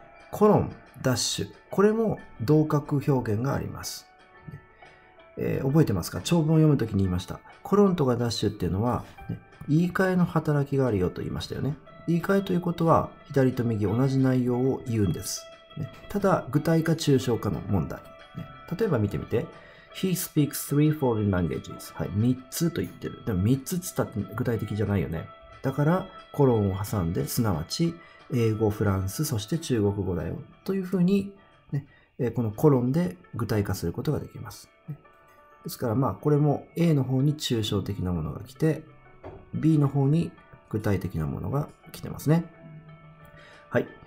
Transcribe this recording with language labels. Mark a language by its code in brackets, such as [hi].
[ja] コロン、ダッシュ。これも同格表現があります。覚えてますか？長文を読むときに言いました。コロンとかダッシュっていうのは、ね、言い換えの働きがあるよと言いましたよね。言い換えということは、左と右同じ内容を言うんです。ね、ただ、具体化抽象化の問題、ね。例えば見てみて。 [en] He speaks three foreign languages. [ja] はい。3つと言ってる。でも3つって言ったら具体的じゃないよね。だから、コロンを挟んで、すなわち、英語、フランス、そして中国語だよ。というふうに、ね、このコロンで具体化することができます。ですから、まあ、これも A の方に抽象的なものが来て、B の方に具体的なものが来てますね。はい。